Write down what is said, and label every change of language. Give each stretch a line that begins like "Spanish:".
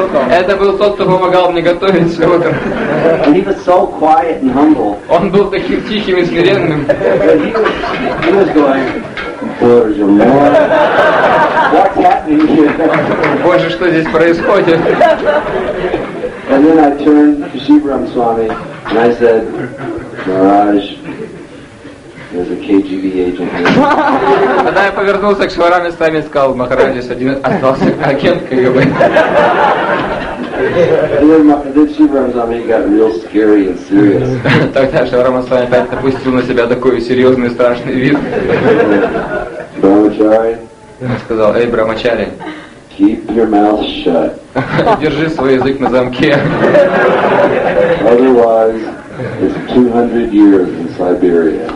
Russian: Это был тот, кто помогал мне готовить все утро.
English: And he was so quiet and humble.
Russian: Он был таким тихим и смиренным.
English: He was going,
Russian: "Боже мой!"
English: What's happening here?
Russian: Боже, что здесь происходит?
English: And then I turned to Sivaram Swami and I said, Maharaj, there's a KGB agent here.
Russian: Тогда я повернулся к Шиварами Свами и сказал, Махараджи, один остался агент КГБ.
English: Then Sivaram Swami got real scary and serious.
Russian: Тогда Шиварама Свами опять напустил на себя такой серьезный страшный вид. Брамачари. Он сказал, эй, Брамачари.
English: Keep your mouth shut.
Russian: Держи свой язык на замке.
English: Otherwise, it's 200 years in Siberia.